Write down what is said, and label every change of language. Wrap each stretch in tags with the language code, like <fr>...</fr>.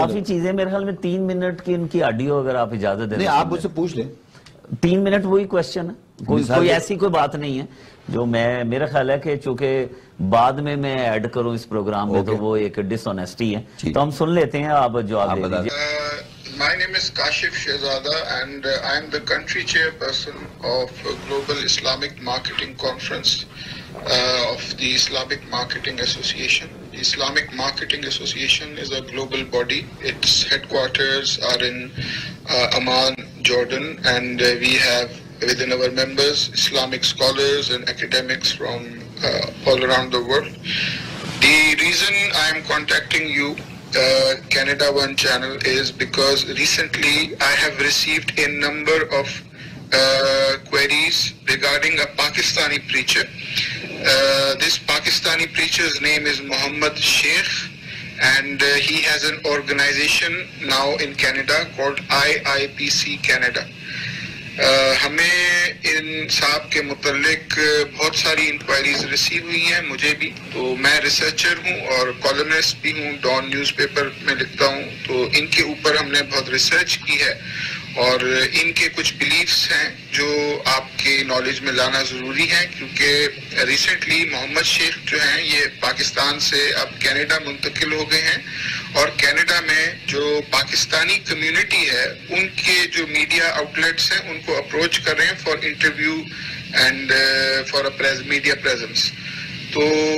<ur>کافی چیزیں میرے خیال میں 3 منٹ کی ان کی آڈیو، اگر آپ اجازت دیں آپ مجھ سے پوچھ لیں 3 منٹ، وہی کوشچن ہے، کوئی ایسی کوئی بات نہیں ہے جو میں، میرا خیال ہے کہ چونکہ بعد میں میں ایڈ کروں اس پروگرام میں تو وہ ایک ڈس آنیسٹی ہے، تو ہم سن لیتے ہیں آپ جو آپ بتا دیجیے۔</ur> <en>My name is Kashif Shehzada and I am the country chairperson of Global Islamic Marketing Conference of the Islamic Marketing Association. The Islamic Marketing Association is a global body. Its headquarters are in Amman, Jordan, and we have within our members Islamic scholars and academics from all around the world. The reason I am contacting you, Canada One Channel, is because recently I have received a number of queries regarding a Pakistani preacher. This Pakistani preacher's name is Muhammad Sheikh, and he has an organization now in Canada called IIPC Canada.</en> <ur>ہمیں ان صاحب کے متعلق بہت ساری enquiries receive ہوئی ہیں، مجھے بھی، تو میں ریسرچر ہوں اور کالمسٹ بھی ہوں، ڈان نیوز پیپر میں لکھتا ہوں، تو ان کے اوپر ہم نے بہت ریسرچ کی ہے اور ان کے کچھ بلیفس ہیں جو آپ کے نالج میں لانا ضروری ہے، کیونکہ ریسنٹلی محمد شیخ جو ہیں یہ پاکستان سے اب کینیڈا منتقل ہو گئے ہیں، اور کینیڈا میں جو پاکستانی کمیونٹی ہے ان کے جو میڈیا آؤٹ لیٹس ہیں ان کو اپروچ کر رہے ہیں</ur> <en>for interview and for media presence,</en> <ur>تو</ur>